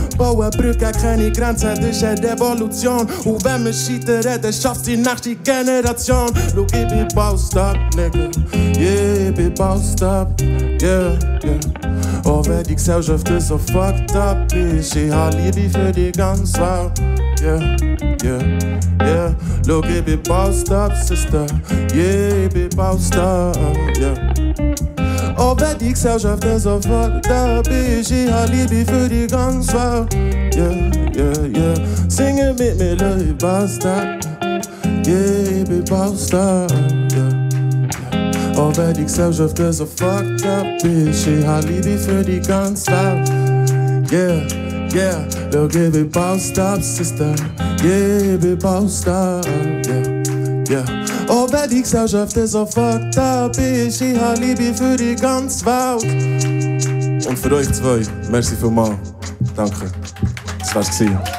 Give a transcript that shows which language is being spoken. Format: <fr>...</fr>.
<de>Bauen Brücke, keine Grenzen, das ist eine Revolution. Und wenn wir scheitern, dann schafft die nächste Generation. Schau, ich bin Baustart, Nigga. Yeah, ich bin Baustart.</de> <en>Yeah, yeah.</en> <de>Oh, wenn die Gesellschaft so fucked up ist, ich hab Liebe für die ganze Welt.</de> <en>Yeah, yeah. Yeah, look, I be bounced up, Sister. Yeah, I be bounced up, yeah.</en> <de>Oh, wenn die Gesellschaft so fucked up ist, ich hab Liebe für die ganze Welt.</de> <en>Yeah, yeah, yeah. Sing it</en> <de>mit mir,</de> <en>look, I be bounced up. Yeah, I be bounced up, yeah.</en> <de>Oh, wenn die Gesellschaft so fucked up ist, ich hab Liebe für die ganze Welt.</de> <en>Yeah, yeah. Look, I be bounced up, Sister. Yeah,</en> <de>ich bin</de> <en>bounced up, yeah, yeah.</en> <de>Oh, wenn die Gesellschaft so fucked up ist, ich hab Liebe für die ganze Welt. Und für euch zwei, merci vielmals. Danke, das war's gewesen.</de>